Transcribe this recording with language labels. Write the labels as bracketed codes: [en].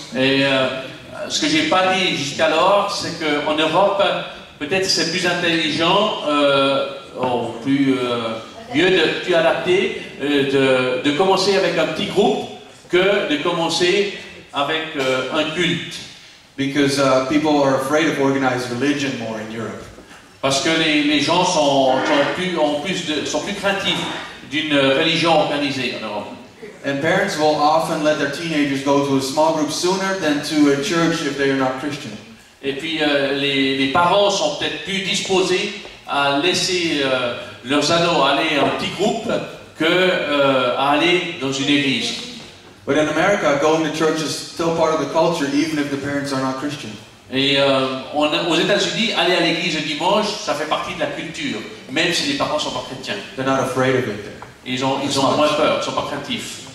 [fr] Et ce que j'ai pas dit jusqu'alors, c'est que en Europe peut-être c'est plus intelligent, mieux de plus adapté de commencer avec un petit groupe que de commencer avec un culte. [en] Because people are afraid of organized religion more in Europe. [fr] Parce que les gens sont plus craintifs d'une religion organisée en Europe. [en] And parents will often let their teenagers go to a small group sooner than to a church if they are not Christian. [fr] Et puis les parents sont peut-être plus disposés à laisser leurs ados aller en petit groupe que à aller dans une église. [en] But in America, going to church is still part of the culture, even if the parents are not Christian. [fr] Et aux États-Unis, aller à l'église le dimanche, ça fait partie de la culture, même si les parents sont pas chrétiens. [en] They're not afraid of it. [fr] Ils ont moins peur, ils sont pas craintifs.